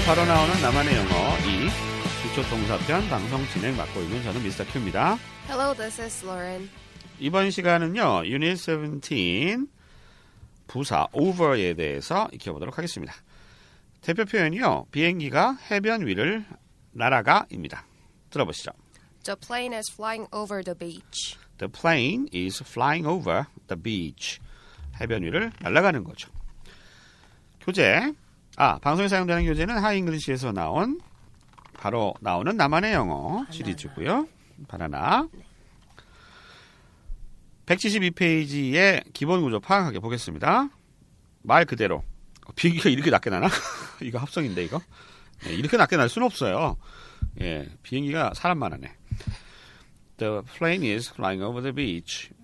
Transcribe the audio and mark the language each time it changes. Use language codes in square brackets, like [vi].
[ko] 바로 나오는 나만의 영어 2. 기초 동사편 방송 진행 맡고 있는 저는 미스터 큐입니다. [en] Hello, this is Lauren. [ko] 이번 시간은요, Unit 17 부사 over에 대해서 익혀보도록 하겠습니다. 대표 표현이요, 비행기가 해변 위를 날아가 입니다. 들어보시죠. [en] The plane is flying over the beach. The plane is flying over the beach. [ko] 해변 위를 날아가는 거죠. 교재, 방송에 사용되는 교재는 하이 잉글리시에서 나온 바로 나오는 나만의 영어 시리즈고요. 바나나. 172페이지의 기본 구조 파악하게 보겠습니다. 말 그대로. 비행기가 이렇게 낮게 나나? 이거 합성인데 이거? 네, 이렇게 낮게 날 수는 없어요. 예, 비행기가 사람만 하네. [en] The plane is flying over the beach.